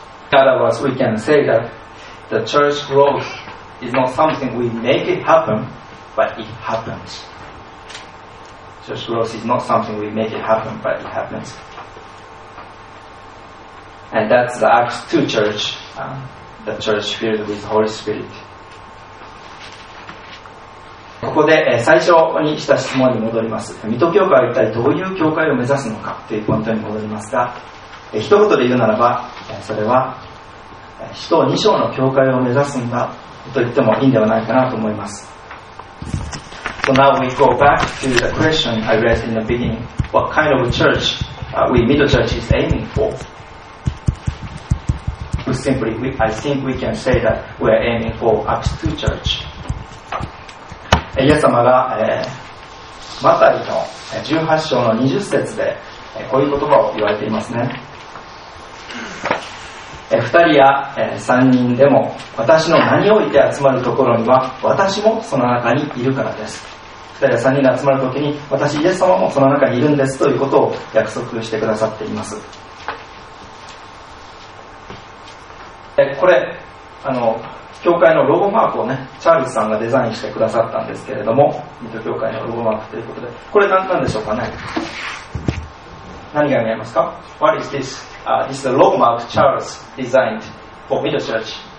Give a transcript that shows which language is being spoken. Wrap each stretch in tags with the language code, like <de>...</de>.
<en>In other words, we can say that the church growth is not something we make it happen,But it happens. Church growth is not something we make it happen, but it happens. And that's the Acts 2 church, the church filled with Holy Spirit.</en> <ja>ここで最初にした質問に戻ります。水戸教会は一体どういう教会を目指すのかというポイントに戻りますが、一言で言うならば、それは使徒2章の教会を目指すんだと言ってもいいんではないかなと思います。</ja> <en>So now we go back to the question I raised in the beginning. What kind of church we Middle Church is aiming for? I think we can say that we are aiming for Acts 2 church.</en> <ja>イエス様が、マタイの18章の20節で、こういう言葉を言われていますね。 2人や3人でも私の名において集まるところには私もその中にいるからです。 2人や3人が集まるときに私イエス様もその中にいるんですということを約束してくださっています。これ教会のロゴマークをね、チャールズさんがデザインしてくださったんですけれども、ミート教会のロゴマークということで、これ何なんでしょうかね。何が見えますか。</ja> <en>What is this?、This is the logo mark Charles designed for Middle Church.</en>